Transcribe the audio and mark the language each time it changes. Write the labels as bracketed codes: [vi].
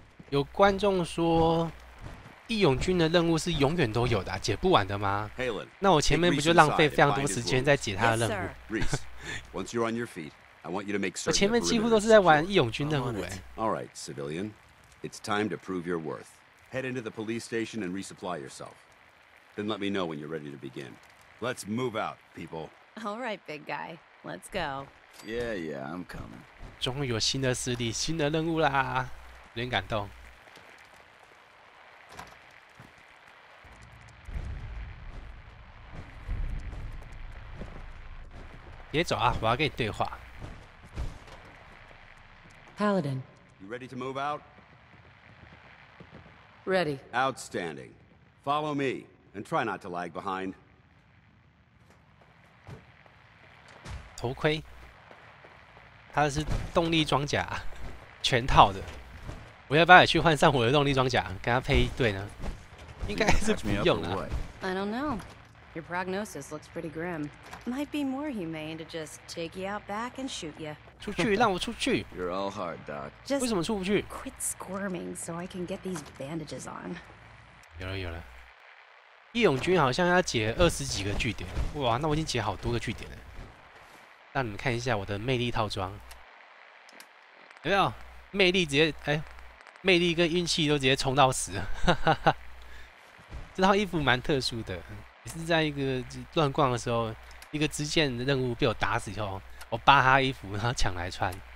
[zh] 有观众说，义勇军的任务是永远都有的、啊，解不完的吗？ [en] Halen, [zh] 那我前面不就浪费非常多时间在解他的任务？ [en] Yes, sir. Feet, I want you to make [zh] 我前面几乎都是在玩义勇军任务哎、欸。 [en] All right, civilian, it's time to prove your worth. Head into the police station and resupply yourself. Then let me know when you're ready to begin. Let's move out, people. All right, big guy, let's go. Yeah, yeah, I'm coming. [zh] 终于有新的势力，新的任务啦！有点感动。别走啊，我要跟你对话。 [en] Paladin, you ready to move out? Ready. Outstanding. Follow me and try not to lag behind. [zh] 头盔，它是动力装甲，全套的。我要不要也去换上我的动力装甲，跟他配一对呢？应该是不用了。 [en] I don't know. Your prognosis looks pretty grim. Might be more humane to just take you out back and shoot you. [zh] 出去，让我出去。 [en] You're all hard, Doc. [zh] 为什么出不去 [en] ？Quit squirming so I can get these bandages on. [zh] 有了有了，义勇军好像要解二十几个据点。哇，那我已经解好多个据点了。让你们看一下我的魅力套装，有没有？魅力直接哎。魅力跟运气都直接冲到死了，这套衣服蛮特殊的，也是在一个乱逛的时候，一个支线的任务被我打死以后，我扒他衣服然后抢来穿。